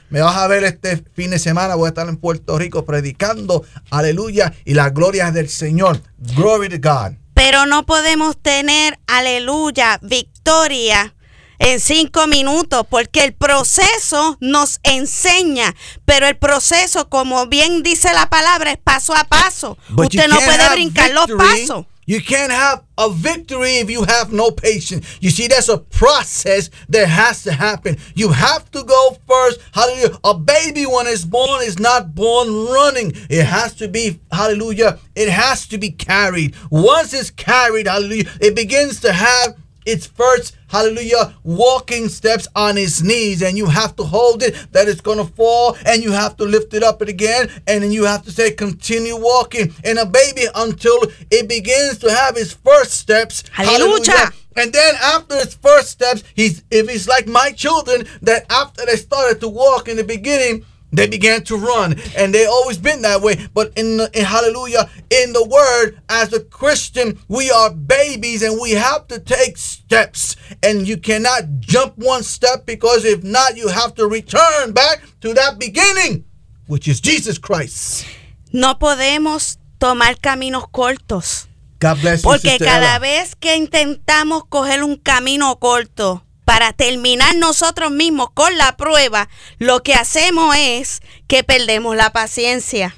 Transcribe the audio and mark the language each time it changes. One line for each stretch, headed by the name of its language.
Spanish: Me vas a ver este fin de semana, voy a estar en Puerto Rico predicando, aleluya, y la gloria es del Señor.
English: Glory to God.
Spanish: Pero no podemos tener, aleluya, victoria en 5 minutos, porque el proceso nos enseña, pero el proceso, como bien dice la palabra, es paso a paso.
English: But
Spanish: usted no puede brincar
English: victory.
Spanish: Los pasos.
English: You can't have a victory if you have no patience. You see, there's a process that has to happen. You have to go first. Hallelujah. A baby, when it's born, is not born running. It has to be, hallelujah, it has to be carried. Once it's carried, hallelujah, it begins to have its first, hallelujah, walking steps on its knees. And you have to hold it that it's going to fall. And you have to lift it up again. And then you have to say, continue walking. And a baby, until it begins to have its first steps. Hallelujah. Hallelujah. And then after its first steps, if he's like my children, that after they started to walk in the beginning, they began to run. And they always been that way. But in hallelujah, in the word, as a Christian, we are babies and we have to take steps. And you cannot jump one step, because if not, you have to return back to that beginning, which is Jesus Christ.
Spanish: No podemos tomar caminos cortos.
English: God bless you,
Spanish: porque
English: Sister
Spanish: cada Ella. Vez que intentamos coger un camino corto, para terminar nosotros mismos con la prueba, lo que hacemos es que perdemos la paciencia.